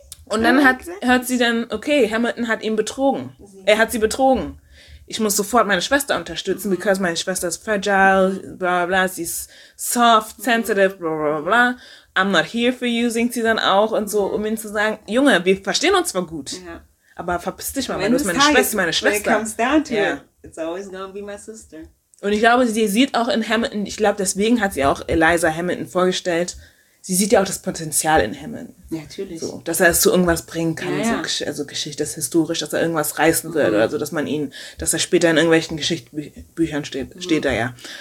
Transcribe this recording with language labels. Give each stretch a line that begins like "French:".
German: Und dann hört sie, Hamilton hat ihn betrogen. Er hat sie betrogen. Ich muss sofort meine Schwester unterstützen,
English: because
German: meine Schwester ist fragile, bla bla, sie ist
English: soft, sensitive,
German: bla bla bla.
English: I'm not here for you,
German: singt sie dann auch und so, um ihnen zu sagen, Junge, wir verstehen uns zwar gut, aber verpiss dich mal, weil du bist meine Schwester.
English: When it comes down to it, it's always gonna be my sister.
German: Und ich glaube, sie sieht auch in Hamilton, ich glaube, deswegen hat sie auch Eliza Hamilton vorgestellt, sie sieht ja auch das Potenzial in Hamilton. Ja, natürlich. So, dass er es zu irgendwas bringen kann, so Geschichte, das ist historisch, dass er irgendwas reißen wird oder so, dass man ihn, dass er später in irgendwelchen Geschichtsbüchern steht da ja.